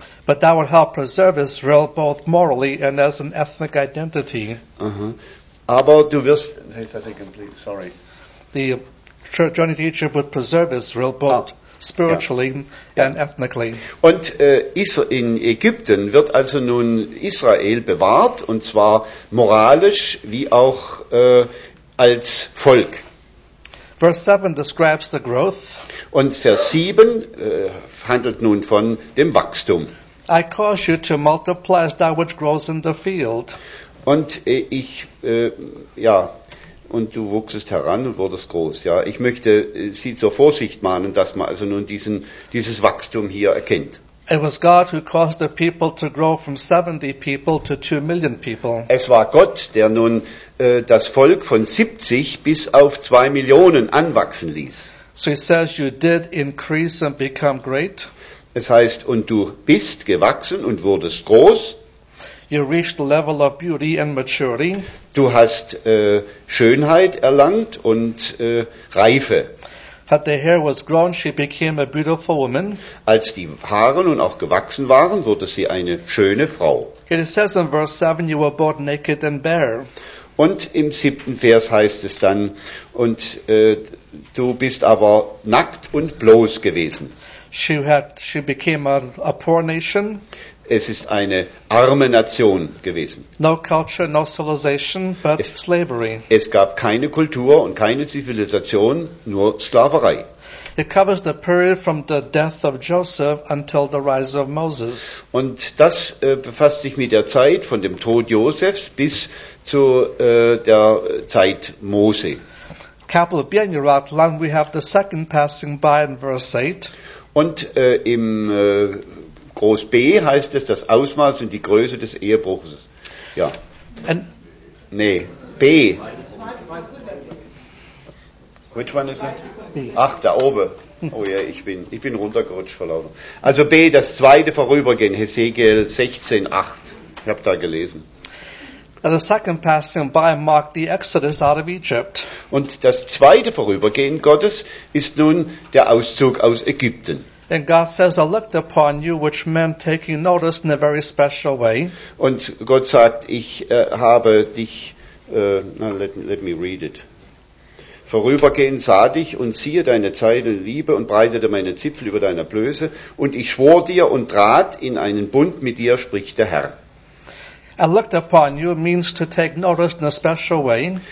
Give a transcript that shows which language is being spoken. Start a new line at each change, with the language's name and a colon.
English: But that would help preserve Israel both morally and as an ethnic identity. Uh-huh.
German: Aber du wirst...
English: Has that taken place? Sorry. The journey to Egypt would preserve Israel both... Ah. Spiritually and ethnically.
German: Und in Ägypten wird also nun Israel bewahrt, und zwar moralisch wie auch als Volk.
English: Verse 7 describes the growth.
German: Und Vers 7 handelt nun von dem Wachstum.
English: I cause you to multiply as that which grows in the field.
German: Und ich, ja... Und du wuchsest heran und wurdest groß. Ja, ich möchte sie zur Vorsicht mahnen, dass man also nun dieses Wachstum hier erkennt.
English: It was God who caused the people to grow from 70 people to 2 million people.
German: Es war Gott, der nun das Volk von 70 bis auf 2 Millionen anwachsen ließ.
English: So he says, you did increase and become great.
German: Es heißt, und du bist gewachsen und wurdest groß.
English: You reached the level of beauty and maturity.
German: Du hast Schönheit erlangt und Reife.
English: Had the hair was grown, she became a beautiful woman.
German: Als die Haare nun auch gewachsen waren, wurde sie eine schöne Frau.
English: It says in verse 7, you were born naked and bare.
German: Und im siebten Vers heißt es dann, und du bist aber nackt und bloß gewesen.
English: She became a poor nation.
German: Es ist eine arme Nation gewesen.
English: No culture, no civilization, but slavery.
German: Es gab keine Kultur und keine Zivilisation, nur Sklaverei.
English: It covers the period from the death of Joseph until the rise of Moses.
German: Und das befasst sich mit der Zeit von dem Tod Josefs bis zu der Zeit Mose.
English: Kapitel 4 in your outline, we have the second passing by in verse 8.
German: Und im Groß B heißt es, das Ausmaß und die Größe des Ehebruches. Ja. B.
English: Which one is it? B.
German: Ach, da oben. Oh ja, ich bin runtergerutscht, verlaufen. Also B, das zweite Vorübergehen, Hesekiel 16, 8. Ich habe da gelesen.
English: And the second passing by marked the exodus out of Egypt.
German: Und das zweite Vorübergehen Gottes ist nun der Auszug aus Ägypten.
English: And God says, I looked upon you, which meant taking notice in a very special way.
German: Und Gott sagt, ich habe dich,
English: let me read it.
German: Vorübergehend sah dich und siehe deine Zeiten Liebe und breitete meine Zipfel über deine Blöße. Und ich schwor dir und trat in einen Bund mit dir, spricht der Herr.
English: I looked upon you means to take notice in a special way.